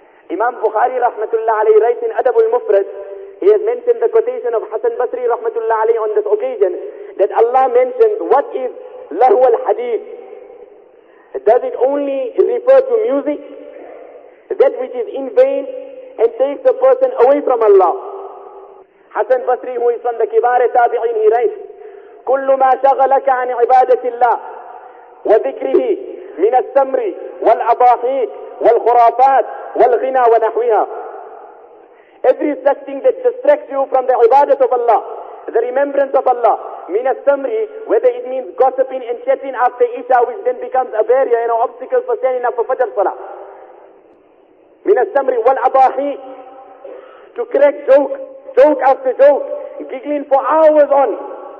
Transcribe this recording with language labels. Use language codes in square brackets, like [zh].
[en] Imam Bukhari rahmatullah alayhi writes in Adab al-Mufrad, he has mentioned the quotation of Hassan Basri rahmatullah alayhi on this occasion, that Allah mentions, what is lahu al-hadith? Does it only refer to music? That which is in vain and takes a person away from Allah. Hassan Basri, who is from the kibar tabi'in, he writes, [ar] كُلُّ مَا شَغَلَكَ عَنْ عِبَادَةِ اللَّهِ, وذكره من السمر والأباحيث والخرافات والغنى ونحوها. [en] Every such thing that distracts you from the ibadat of Allah, the remembrance of Allah, [ar] من السمر, [en] whether it means gossiping and chatting after Isha, which then becomes a barrier, you know, obstacle for standing up for Fajr Salah. [ar] من السمر والأباحيث, [en] to crack joke after joke, giggling for hours on.